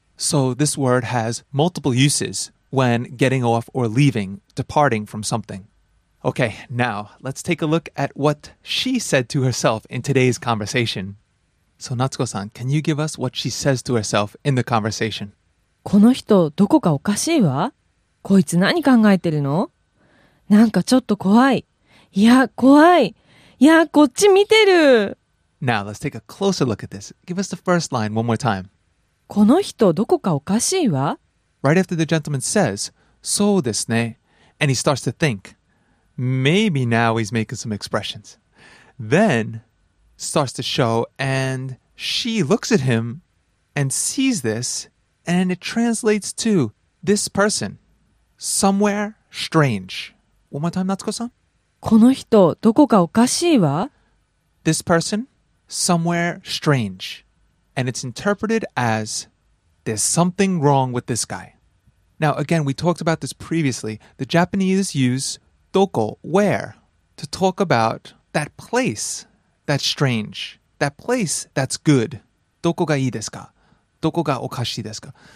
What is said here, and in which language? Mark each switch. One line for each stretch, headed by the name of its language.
English: So this word has multiple uses when getting off or leaving, departing from something. Okay, now let's take a look at what she said to herself in today's conversation. So Natsuko-san, can you give us what she says to herself in the conversation?
Japanese: この人どこかおかしいわ。こいつ何考えてるの？なんかちょっと怖い。いや、怖い。いや、こっち見てる。
English: Now let's take a closer look at this. Give us the first line one more time.
Japanese: この人どこかおかしいわ。
English: Right after the gentleman says,
Japanese: そうですね。
English: And he starts to think. Maybe now he's making some expressions. Then starts to show and she looks at him and sees this and it translates to this person. Somewhere strange. One more time, Natsuko-san.
Japanese: この人どこかおかしいわ?
English: This person, somewhere strange. And it's interpreted as there's something wrong with this guy. Now, again, we talked about this previously. The Japanese use... Doko, where? To talk about that place that's strange. That place that's good.
Japanese: Doko ga ii desu ka? Doko ga okashii desu ka?